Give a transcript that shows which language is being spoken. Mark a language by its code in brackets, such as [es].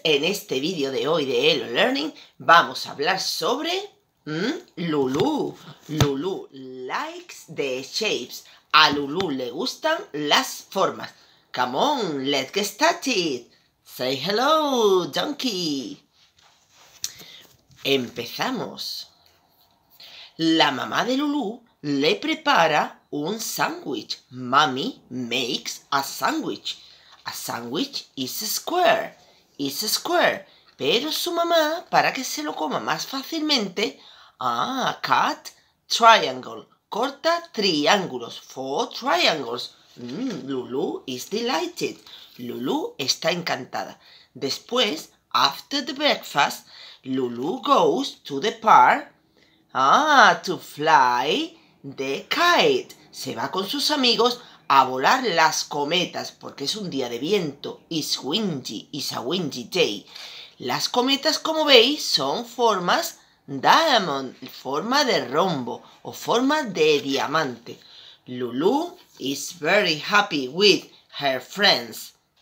[es] En este vídeo de hoy de Hello Learning vamos a hablar sobre Lulu. [en] Lulu likes the shapes. [es] A Lulu le gustan las formas. [en] Come on, let's get started. Say hello, donkey. [es] Empezamos. La mamá de Lulu le prepara un sándwich. [en] Mommy makes a sandwich. A sandwich is a square. Is a square. [es] Pero su mamá, para que se lo coma más fácilmente, [en] cut triangle. [es] Corta triángulos. [en] Four triangles. Lulu is delighted. [es] Lulu está encantada. Después, [en] after the breakfast, Lulu goes to the park to fly the kite. [es] Se va con sus amigos a volar las cometas, porque es un día de viento. [en] It's windy, it's a windy day. [es] Las cometas, como veis, son formas diamond, forma de rombo o forma de diamante. [en] Lulu is very happy with her friends.